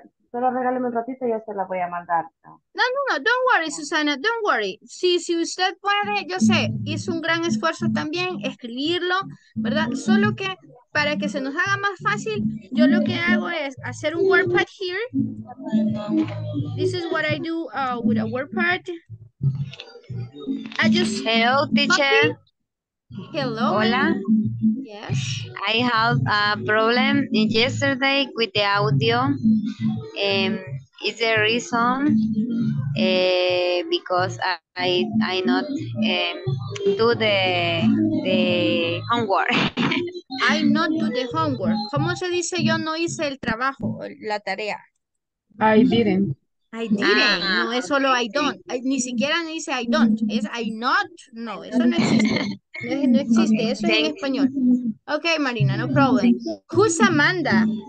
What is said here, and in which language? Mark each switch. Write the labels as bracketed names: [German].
[Spanish] Solo regáleme un ratito y yo se la voy a mandar. [English] No, don't worry, Susana, don't worry. [Spanish] Si usted puede, yo sé, hizo un gran esfuerzo también escribirlo, ¿verdad? Solo que para que se nos haga más fácil, yo lo que hago es hacer un WordPad here. [English] This is what I do with a WordPad. Hello, teacher. Hello. [Spanish] Hola. [English] Yes. I have a problem yesterday with the audio. Is the reason because I not do the homework. I not do the homework. [Spanish] ¿Cómo se dice yo no hice el trabajo, la tarea? [English] I didn't. I didn't. [Spanish] Ah, no, es solo okay. [English] I don't. [Spanish] Ni siquiera dice [English] I don't. [Spanish] Es [English] I not. [Spanish] No, eso no existe. No existe. Eso es en español. [English] Ok, Marina, no problem. Who's Amanda?